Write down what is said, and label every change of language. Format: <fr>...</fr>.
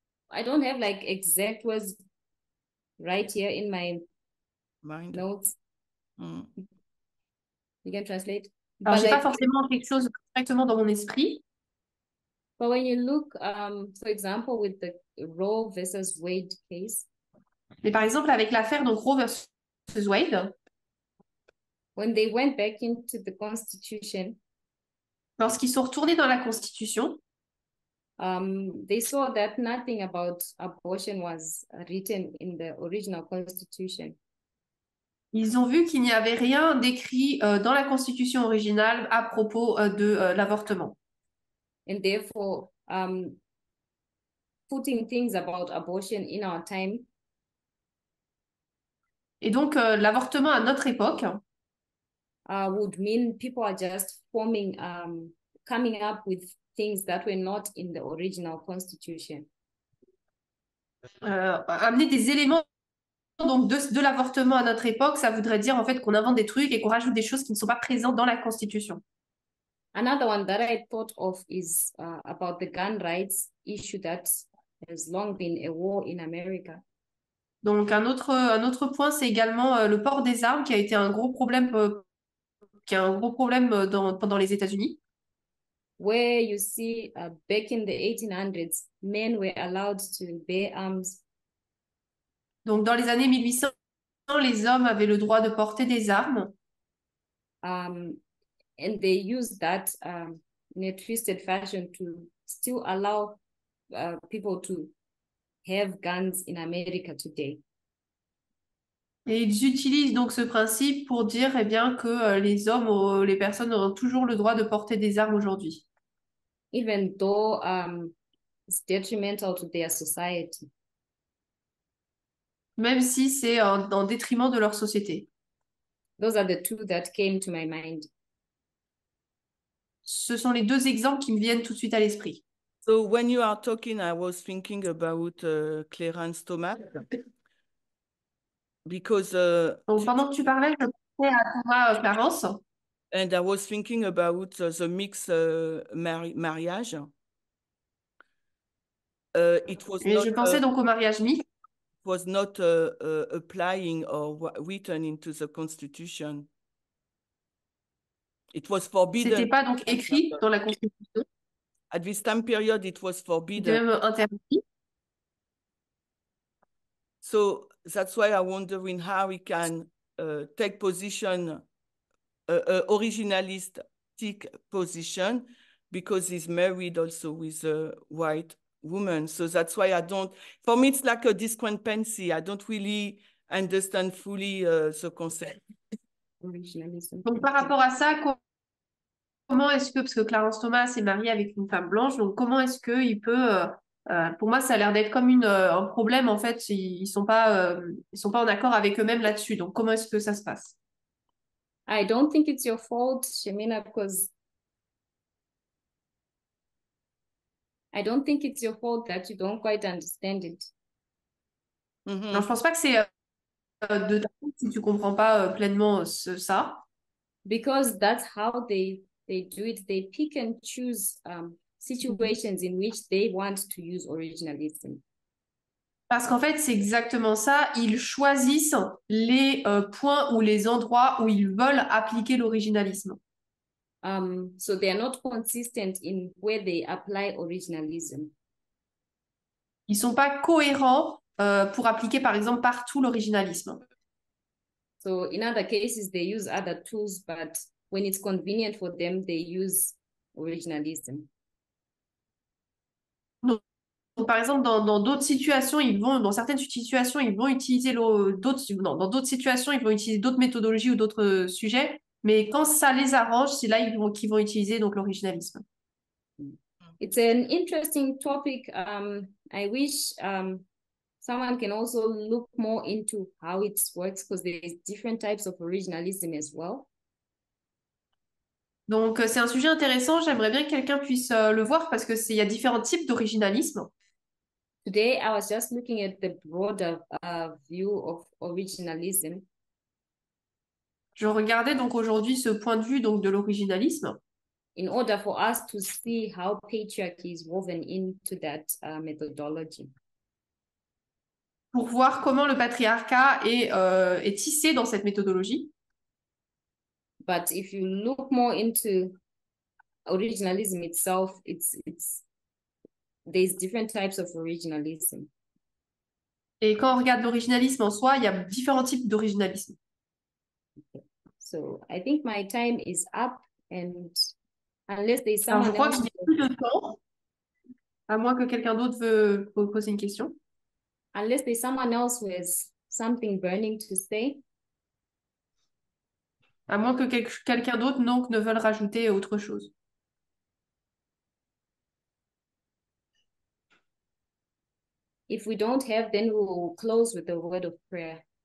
<en>I don't have like exact words right here in my mind. Notes. You can translate.</en> <fr>Alors, j'ai pas forcément quelque chose correctement dans mon esprit.</fr> <en>But when you look, for example, with the Roe versus Wade case.</en> <fr>Mais par exemple, avec l'affaire donc Roe versus Wade.</fr> <en>When they went back into the Constitution.</en> <fr>Lorsqu'ils sont retournés dans la Constitution.</fr> <en>They saw that nothing about abortion was written in the original Constitution.</en> <fr>Ils ont vu qu'il n'y avait rien d'écrit dans la Constitution originale à propos de l'avortement.</fr> <en>And therefore, putting things about abortion in our time.</en> <fr>Et donc, l'avortement à notre époque</fr> <en>would mean people are just forming, coming up with things that were not in the original Constitution.</en> <fr>Amener des éléments Donc, de l'avortement à notre époque, ça voudrait dire en fait qu'on invente des trucs et qu'on rajoute des choses qui ne sont pas présentes dans la Constitution.</fr> <en>Another one that I thought of is about the gun rights issue that has long been a war in America.</en> <fr>Donc, un autre point, c'est également le port des armes qui a été un gros problème, qui est un gros problème pendant les États-Unis.</fr> <en>Where you see back in the 1800s, men were allowed to bear arms.</en> <fr>Donc, dans les années 1800, les hommes avaient le droit de porter des armes.</fr> <en>And they used that in a twisted fashion to still allow people to have guns in America today.</en> <fr>Et ils utilisent donc ce principe pour dire eh bien, que les hommes ou les personnes ont toujours le droit de porter des armes aujourd'hui.</fr> <en>Even though it's detrimental to their society.</en> <fr>Même si c'est en détriment de leur société.</fr> <en>Those are the two that came to my mind.</en> <fr>Ce sont les deux exemples qui me viennent tout de suite à l'esprit.</fr> <en>So when you are talking, I was thinking about Clarence Thomas. Because</en> <fr>donc pendant que tu parlais, je pensais à Thomas Clarence.</fr> <en>And I was thinking about the mixed mariage. It was</en> <fr>et</fr> <en>not,</en> <fr>je pensais donc au mariage mixte.</fr> <en>Was not applying or written into the constitution. It was forbidden.</en> <fr>C'était pas donc écrit dans la constitution.</fr> <en>At this time period, it was forbidden.</en> <fr>C'était même interdit.</fr> <en>So that's why I'm wondering how we can take position, originalistic position, because he's married also with a white woman. So that's why I don't, for me, it's like a discrepancy. I don't really understand fully the concept.</en> <fr>Donc par rapport à ça, comment est-ce que, parce que Clarence Thomas est marié avec une femme blanche, donc comment est-ce qu'il peut, pour moi, ça a l'air d'être comme un problème, en fait, ils sont pas en accord avec eux-mêmes là-dessus. Donc comment est-ce que ça se passe?</fr> <en>I don't think it's your fault, Shemina, because I don't think it's your fault that you don't quite understand it.</en> <fr>Non, je pense pas que c'est de ta faute si tu comprends pas pleinement ça.</fr> <en>Because that's how they do it. They pick and choose situations in which they want to use originalism.</en> <fr>Parce qu'en fait, c'est exactement ça. Ils choisissent les points ou les endroits où ils veulent appliquer l'originalisme.</fr> <en>So they are not consistent in where they apply originalism.</en> <fr>Ils sont pas cohérents pour appliquer, par exemple, partout l'originalisme.</fr> <en>So in other cases, they use other tools, but when it's convenient for them, they use originalism.</en> <fr>Donc, par exemple, dans d'autres situations, ils vont, dans certaines situations, ils vont utiliser d'autres, non, dans d'autres situations, ils vont utiliser d'autres méthodologies ou d'autres sujets. Mais quand ça les arrange, c'est là qu'ils vont utiliser donc l'originalisme.</fr> <en>It's an interesting topic. I wish someone can also look more into how it works because there is different types of originalism as well.</en> <fr>Donc c'est un sujet intéressant. J'aimerais bien que quelqu'un puisse le voir parce que il y a différents types d'originalisme.</fr> <en>Today I was just looking at the broader view of originalism.</en> <fr>Je regardais donc aujourd'hui ce point de vue donc de l'originalisme.</fr> <en>In order for us to see how patriarchy is woven into that methodology.</en> <fr>Pour voir comment le patriarcat est tissé dans cette méthodologie.</fr> <en>But if you look more into originalism itself, there's different types of originalism.</en> <fr>Et quand on regarde l'originalisme en soi, il y a différents types d'originalisme.</fr> <en>So I think my time is up, and unless there's someone</en> <fr>Alors, je crois</fr> <en>else,</en> <fr>que j'ai plus de temps, à moins que quelqu'un d'autre veut poser une question.</fr> <en>Unless there's someone else who has something burning to say.</en> <fr>À moins que quelqu'un d'autre donc ne veuille rajouter autre chose.</fr> <en>If we don't have, then we will close with a word of prayer.</en>